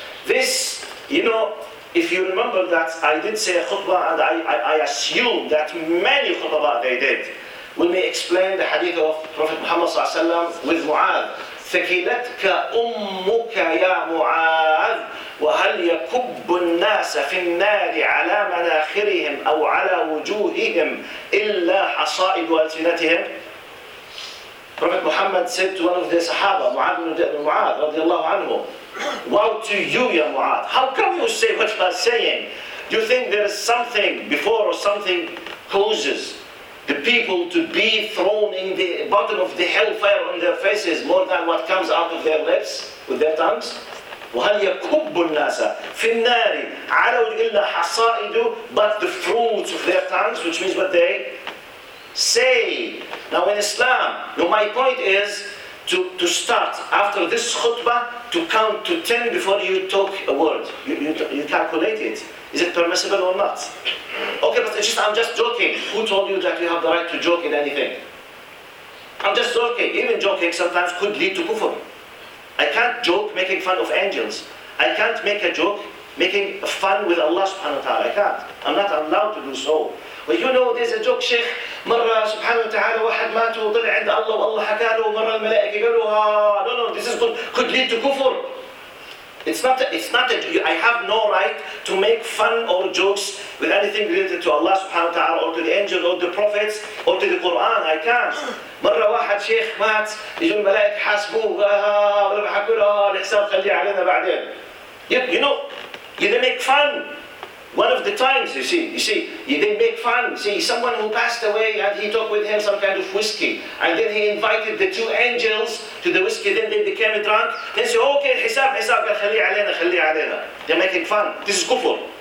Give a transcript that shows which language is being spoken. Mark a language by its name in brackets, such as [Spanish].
[English] This, you know, if you remember that I did say a khutbah, and I assume that many khutbah they did, when we explain the hadith of Prophet Muhammad Sallallahu Alaihi Wasallam with Mu'adh, [Arabic] ثكلتك أمك يا معاذ وهل يكب الناس في النار على مناخرهم أو على وجوههم إلا حصائد ألسنتهم؟ [English] Prophet Muhammad said to one of the Sahaba, Mu'adh [Arabic] رضي الله عنه, [English] Woe to you, ya Mu'adh. How come you say what you are saying? Do you think there is something before or something causes the people to be thrown in the bottom of the hellfire on their faces more than what comes out of their lips with their tongues? [Arabic] وَهَلْ يَكُبُّ النَّاسَ فِي النَّارِ عَلَوْا إِلَّا حَصَائِدُ [English] But the fruits of their tongues, which means what they say. Now in Islam, my point is to start after this khutbah to count to 10 before you talk a word. You calculate it. Is it permissible or not? Okay, but I'm just joking. Who told you that you have the right to joke in anything? I'm just joking. Even joking sometimes could lead to kufr. I can't joke making fun of angels. I can't make a joke making fun with Allah subhanahu wa ta'ala. I can't. I'm not allowed to do so. Well, you know, there's a joke, Sheikh. [Arabic] مرة سبحانه وتعالى واحد مات وطلع عند الله والله حكى له ومرة الملائكة قالوا ها [English] no, this is could lead to kufr. I have no right to make fun or jokes with anything related to Allah subhanahu wa ta'ala or to the angels or the prophets or to the Quran. I can't. [Arabic] مرة واحد شيخ مات يجوا الملائكة حاسبوه ها ولا حكوا له الحساب خليه علينا بعدين. [English] You they make fun. One of the times, you see, they make fun. See, someone who passed away and he took with him some kind of whiskey. And then he invited the two angels to the whiskey, then they became drunk. They say, okay, hisab, khali alayna. They're making fun. This is kufr.